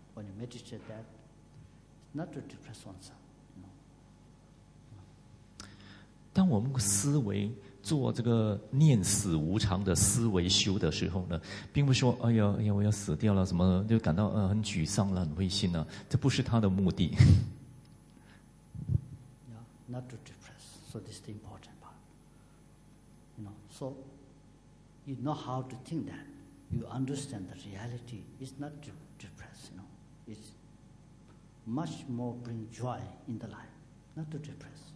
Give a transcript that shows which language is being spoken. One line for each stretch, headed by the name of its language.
English: When you meditate that, not to depress oneself, you know.
Chinese: 当我们思维做这个念死无常的思维修的时候呢，并不说哎呀我要死掉了什么，就感到很沮丧了，很灰心了，这不是他的目的。
English: Not to depress, so this is the important part. You know, so you know how to think that. You understand the reality is not to depress, you know. It's much more bring joy in the life, not to depress.